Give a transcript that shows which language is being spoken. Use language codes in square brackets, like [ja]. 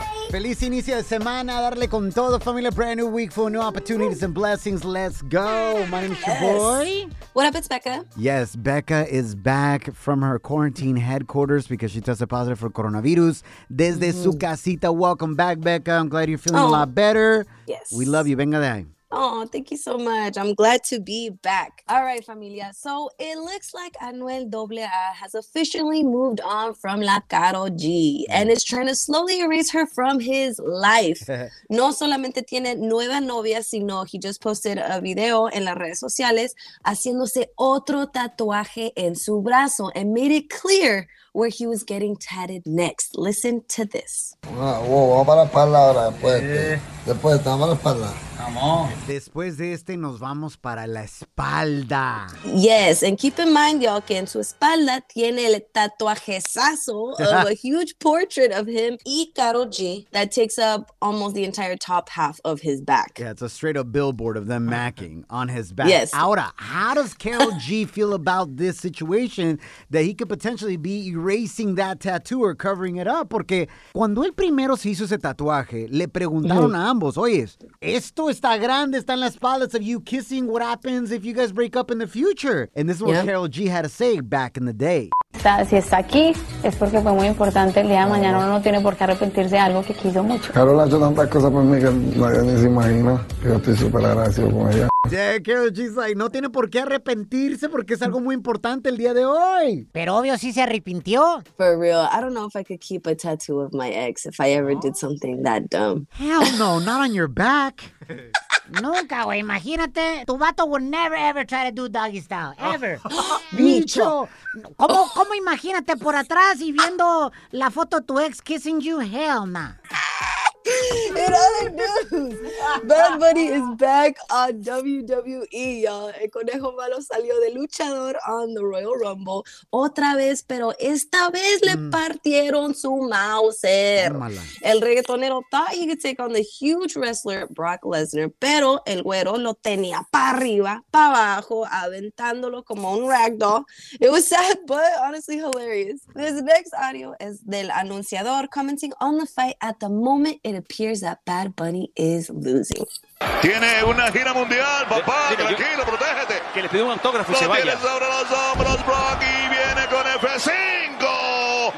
[es] Feliz inicio de semana, darle con todo, familia. [en] Brand new week full of new opportunities and blessings. Let's go. My name is Shaboy. What up, it's Becca. Yes, Becca is back from her quarantine headquarters because she tested positive for coronavirus. [es] Desde su casita, [en] welcome back, Becca. I'm glad you're feeling a lot better. Yes. We love you. [es] Venga de ahí. [en] Oh, thank you so much. I'm glad to be back. All right, familia. So it looks like Anuel AA has officially moved on from La Caro G and is trying to slowly erase her from his life. [es] No solamente tiene nueva novia, sino [en] he just posted a video [es] en las redes sociales haciéndose otro tatuaje en su brazo [en] and made it clear where he was getting tatted next. Listen to this. [es] Después de este nos vamos para la espalda. [en] Yes, and keep in mind, y'all, [es] que en su espalda tiene el tatuajesazo [en] of a huge portrait of him y Karol G that takes up almost the entire top half of his back. Yeah, it's a straight up billboard of them macking on his back. Yes. [es] Ahora, [en] how does Karol G feel about this situation that he could potentially be erasing that tattoo or covering it up? [es] Porque cuando él primero se hizo ese tatuaje, le preguntaron a ambos, oye, esto está grande, está en la espalda, [en] of you kissing, what happens if you guys break up in the future? And this is what Karol G had to say back in the day. [es] Si está aquí, es porque fue muy importante el día de mañana. Uno no tiene por qué arrepentirse de algo que quiso mucho. Karol ha hecho tantas cosas por mí que nadie ni se imagina. Yo estoy súper agradecido con ella. [en] Yeah, Karol G's like, [es] no tiene por qué arrepentirse porque es algo muy importante el día de hoy. Pero obvio, sí se arrepintió. [en] For real, I don't know if I could keep a tattoo of my ex if I ever did something that dumb. Hell no, not on your back. [es] Nunca, güey, imagínate. Tu vato [en] would never ever try to do doggy style, ever. [es] Bicho. ¿Cómo imagínate por atrás y viendo la foto de tu ex [en] kissing you? Hell nah. In other news, Bad Bunny is back on WWE, y'all. [es] El Conejo Malo salió de luchador [en] on the Royal Rumble [es] otra vez, pero esta vez le partieron su mauser. El reggaetonero [en] thought he could take on the huge wrestler [es] Brock Lesnar, pero el güero lo tenía para arriba, para abajo, aventándolo como un ragdoll. [en] It was sad, but honestly hilarious. This next audio is [es] del anunciador [en] commenting on the fight at the moment it appears that Bad Bunny is losing. [es] Tiene una gira mundial, papá, mira, tranquilo, protégete. Que le pide un autógrafo y se vaya. Lo tiene sobre los hombros, Brock, y viene con F5.